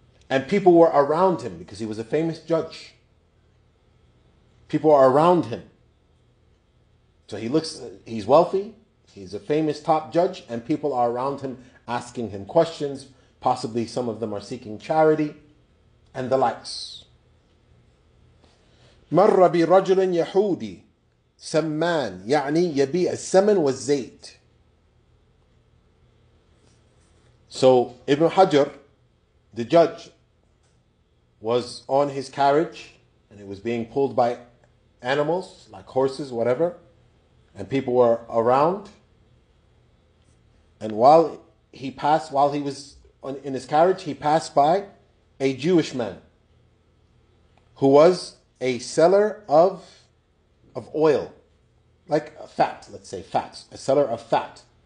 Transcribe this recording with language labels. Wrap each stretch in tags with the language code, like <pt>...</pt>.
<en>And people were around him because he was a famous judge. People are around him. So he looks, he's wealthy, he's a famous top judge, and people are around him asking him questions. Possibly some of them are seeking charity and the likes.</en> <ar>مر برجل يهودي سمان يعني يبيع السمن والزيت.</ar> <en>So Ibn Hajr, the judge, was on his carriage and it was being pulled by animals, like horses, whatever, and people were around. And while he passed, while he was in his carriage, he passed by a Jewish man who was a seller of oil, like fat, let's say fat, a seller of fat.</en>